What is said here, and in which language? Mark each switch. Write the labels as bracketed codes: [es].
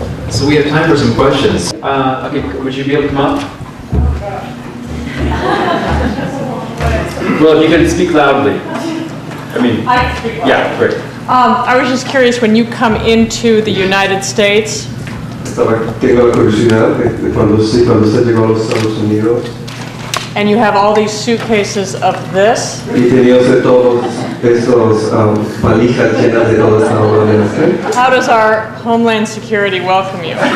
[en] So we have time for some questions. Would you be able to come up? Well, you can speak loudly. Yeah, great. I was just curious, when you come into the United States. [es] Estaba teniendo la curiosidad de cuando se llegó a los Estados Unidos. [en] And you have all these suitcases of this. [es] Y tenías todos esos valijas llenas de todo esta obra de arte. [en] How does our Homeland Security welcome you?